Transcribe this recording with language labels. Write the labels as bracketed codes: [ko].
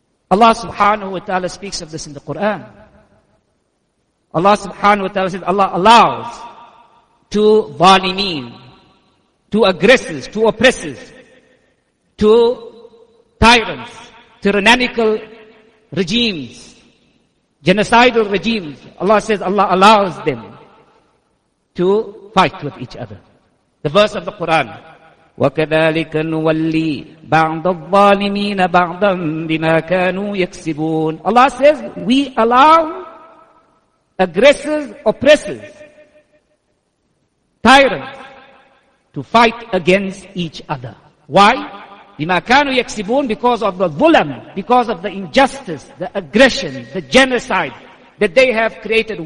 [en] Allah subhanahu wa ta'ala speaks of this in the Quran. Allah subhanahu wa ta'ala says Allah allows two zalimin, two aggressors, two oppressors, two tyrants, tyrannical regimes, genocidal regimes. Allah says Allah allows them to fight with each other. The verse of the Quran, [ar] وَكَذَلِكَ نُوَلِّي بَعْضَ الظَّالِمِينَ بَعْضًا بِمَا كَانُوا يَكْسِبُونَ. [en] Allah says, we allow aggressors, oppressors, tyrants to fight against each other. Why? [ar] بِمَا كَانُوا يَكْسِبُونَ, [en] because of the zulm, because of the injustice, the aggression, the genocide that they have created.